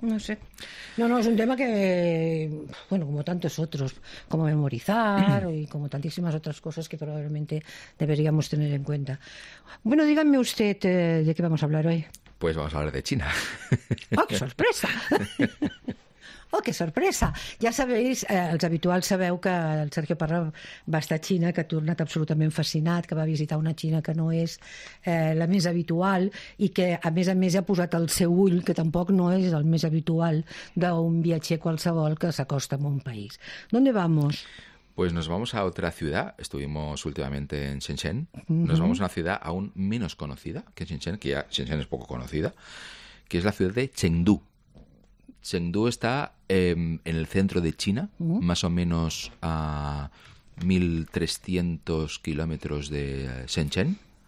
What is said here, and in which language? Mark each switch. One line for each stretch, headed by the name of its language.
Spanish: No sé. No, es un tema que, bueno, como tantos otros, como memorizar y como tantísimas otras cosas que probablemente deberíamos tener en cuenta. Bueno, díganme usted de qué vamos a hablar hoy. Pues vamos a hablar de China. ¡Oh, qué sorpresa! ¡Oh, qué sorpresa!
Catalan: Ja sabeu, els habituals sabeu que el Sergio Parra va estar a Xina, que ha tornat absolutament fascinat, que va visitar una Xina que no és la més habitual i que, a més, ha posat el seu ull, que tampoc no és el més habitual d'un viatger qualsevol que s'acosta a un país.
Spanish: ¿Dónde vamos? Pues nos vamos a otra ciudad. Estuvimos últimamente en Shenzhen. Nos vamos a una ciudad aún menos conocida que Shenzhen, que ya Shenzhen es poco conocida, que es la ciudad de Chengdu. Chengdu está en el centro de China, más o menos a 1.300 kilómetros de Shenzhen.